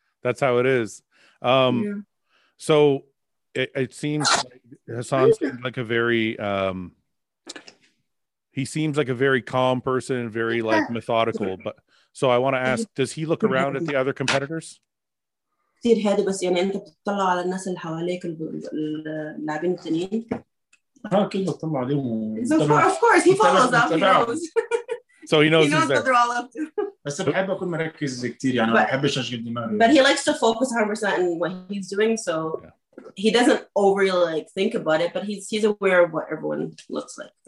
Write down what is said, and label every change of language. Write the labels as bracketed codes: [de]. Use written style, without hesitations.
[en] That's how it is. So it seems like Hassan seems like a very... he seems like a very calm person, very like methodical. But so I want to ask, does he look around at the other competitors? [ar] كثير هادي بس يعني أنت بتطلع على الناس اللي حواليك اللاعبين التانيين. كله بتطلع عليهم. [en] Of course, he follows up. He knows. So he knows, what they're all up to. [ar] بس بحب اكون مركز كتير يعني ما بحبش اشغل دماغي. [en] But he likes to focus 100% on what he's doing, so yeah. He doesn't overly like think about it, but he's aware of what everyone looks like.